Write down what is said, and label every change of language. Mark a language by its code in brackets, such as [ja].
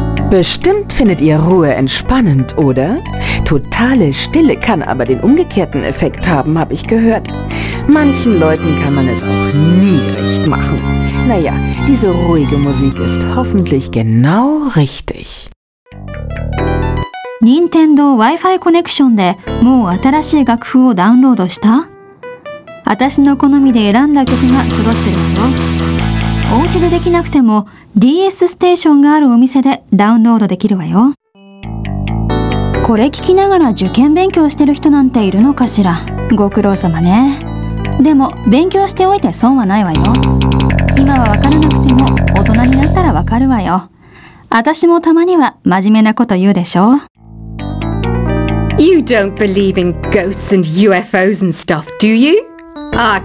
[de] Bestimmt findet ihr Ruhe entspannend, oder? Totale Stille kann aber den umgekehrten Effekt haben, habe ich gehört. Manchen Leuten kann man es auch nie recht machen. Naja, diese ruhige Musik ist hoffentlich genau richtig. [ja] 任天堂 Wi-Fi コネクションでもう新しい楽譜をダウンロードした？私の好みで選んだ曲が揃ってるのよ。お家でできなくても DS ステーションがあるお店でダウンロードできるわよ。これ聞きながら受験勉強してる人なんているのかしら。ご苦労様ね。でも勉強しておいて損はないわよ。今は分からなくても大人になったら分かるわよ。私もたまには真面目なこと言うでしょ。 [en] You don't believe in ghosts and UFOs and stuff, do you? Ah.